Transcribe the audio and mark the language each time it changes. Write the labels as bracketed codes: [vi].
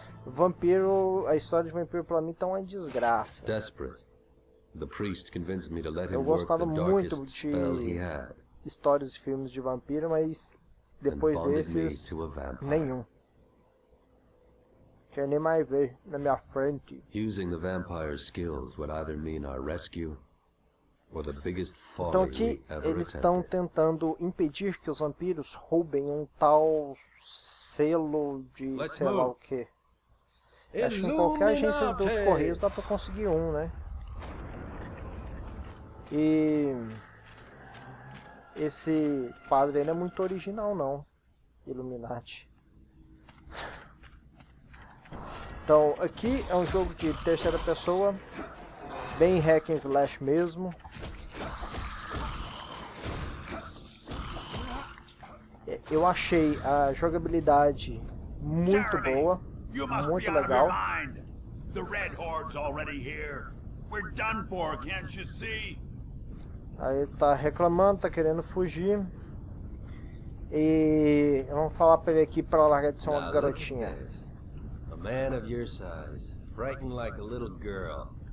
[pt] Vampiro, a história de vampiro pra mim tá uma desgraça. [en] Desperate. The priest convinced me to let him work the darkest spell he had. [pt] Histórias e filmes de vampiro, mas depois desses, nenhum. Quer nem mais ver na minha frente. [en] Using the vampire's skills would either mean our rescue or the biggest folly. [pt] Então aqui eles estão tentando impedir que os vampiros roubem um tal selo de sei lá o que. Acho que em qualquer agência dos Correios dá pra conseguir um, né? E esse padre aí não é muito original não, Illuminati. Então, aqui é um jogo de terceira pessoa, bem hack and slash mesmo. Eu achei a jogabilidade muito boa. Muito legal. [en] The Red Horde's already here. We're done for, can't you see? [pt] Aí tá reclamando, tá querendo fugir. E vamos falar pra ele aqui pra largar de ser uma garotinha. [en] A man of your size, frightened like a little girl.